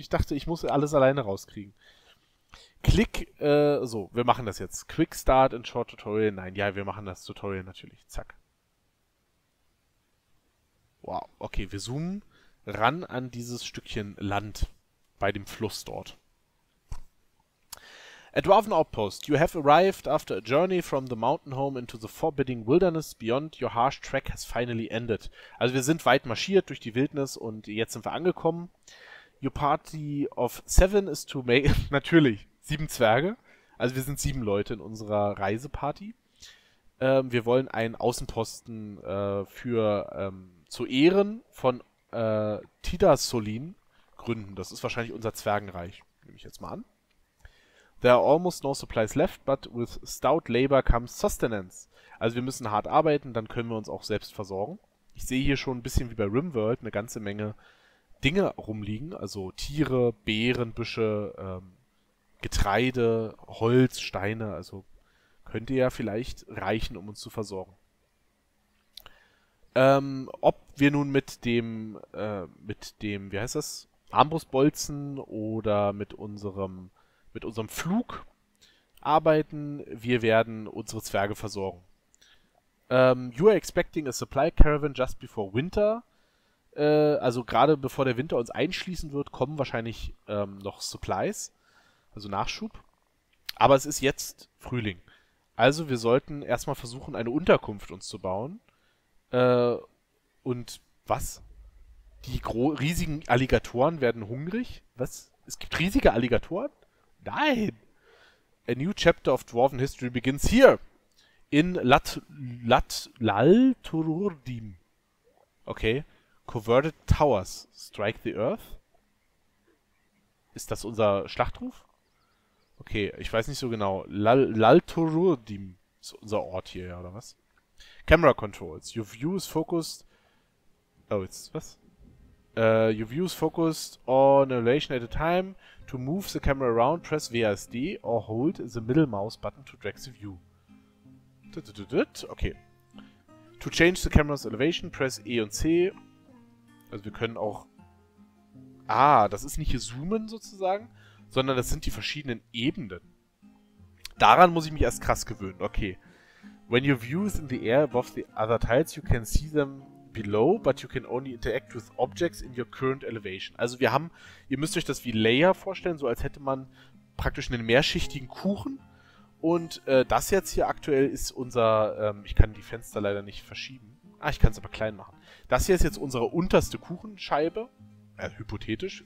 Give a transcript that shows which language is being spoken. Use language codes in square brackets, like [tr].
[de] Ich dachte, ich muss alles alleine rauskriegen. Klick, wir machen das jetzt. [en] Quick Start in Short Tutorial. [de] Nein, ja, wir machen das Tutorial natürlich. Zack. Wow, okay, wir zoomen ran an dieses Stückchen Land. bei dem Fluss dort. [en] A Dwarven Outpost, you have arrived after a journey from the mountain home into the forbidding wilderness beyond your harsh track has finally ended. [de] Also wir sind weit marschiert durch die Wildnis und jetzt sind wir angekommen. [en] Your party of seven is to make... [de] Natürlich, sieben Zwerge. Also wir sind sieben Leute in unserer Reiseparty. Wir wollen einen Außenposten zu Ehren von Tidasolin gründen. Das ist wahrscheinlich unser Zwergenreich, nehme ich jetzt mal an. [en] There are almost no supplies left, but with stout labor comes sustenance. [de] Also wir müssen hart arbeiten, dann können wir uns auch selbst versorgen. Ich sehe hier schon ein bisschen wie bei RimWorld eine ganze Menge Dinge rumliegen. Also Tiere, Beerenbüsche, Getreide, Holz, Steine. Also könnte ja vielleicht reichen, um uns zu versorgen. Ob wir nun mit dem, wie heißt das, Armbrustbolzen oder mit unserem Flug arbeiten, wir werden unsere Zwerge versorgen. [en] You are expecting a supply caravan just before winter. [de] Also gerade bevor der Winter uns einschließen wird, kommen wahrscheinlich noch Supplies, also Nachschub. Aber es ist jetzt Frühling. Also wir sollten erstmal versuchen, eine Unterkunft uns zu bauen. Und was? Die riesigen Alligatoren werden hungrig? Was? Es gibt riesige Alligatoren? Nein! [en] A new chapter of Dwarven History begins here. In Lal-Tururdim. Okay. Converted Towers. Strike the Earth. [de] Ist das unser Schlachtruf? Okay, ich weiß nicht so genau. Lal-Tururdim ist unser Ort hier, ja, oder was? [en] Camera Controls. Your view is focused... [de] Oh, jetzt was? [en] Your view is focused on a relation at a time. To move the camera around, press WASD or hold the middle mouse button to drag the view. Okay. To change the camera's elevation, press E [de] und C. Also wir können auch... Ah, das ist nicht hier zoomen sozusagen, sondern das sind die verschiedenen Ebenen. Daran muss ich mich erst krass gewöhnen. Okay. [en] When your view is in the air above the other tiles, you can see them below, but you can only interact with objects in your current elevation. [de] Also wir haben, ihr müsst euch das wie Layer vorstellen, so als hätte man praktisch einen mehrschichtigen Kuchen. Und das jetzt hier aktuell ist unser, ich kann die Fenster leider nicht verschieben. Ah, ich kann es aber klein machen. Das hier ist jetzt unsere unterste Kuchenscheibe, hypothetisch.